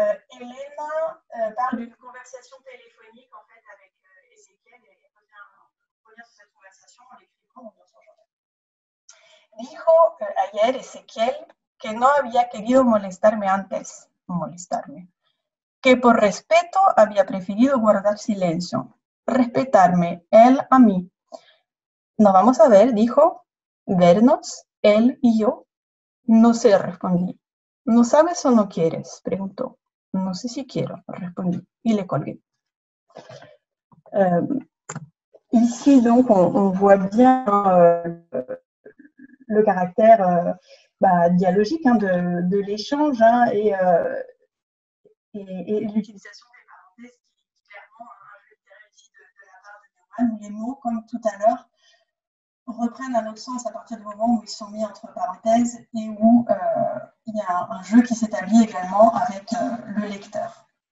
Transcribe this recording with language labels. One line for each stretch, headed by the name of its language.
French: Elena parle d'une conversation téléphonique en fait avec Ézéchiel et revient sur cette conversation en l'écrivant dans son journal.
Spanish: Dijo ayer Ézéchiel que no había querido molestarme antes, que por respeto había preferido guardar silencio, respetarme él a mí. Nos vamos a ver, dijo. ¿Vernos? Él y yo. No sé, respondí. ¿No sabes o no quieres? Preguntó. No sé si quiero, respondí. Y le colgué.
French: Ici, donc, on voit bien le caractère dialogique, hein, de l'échange, hein, et l'utilisation des parenthèses, qui est clairement un jeu de réussite de la part de Newman, où les mots, comme tout à l'heure, reprennent un autre sens à partir du moment où ils sont mis entre parenthèses et où il y a un jeu qui s'établit également avec le lecteur.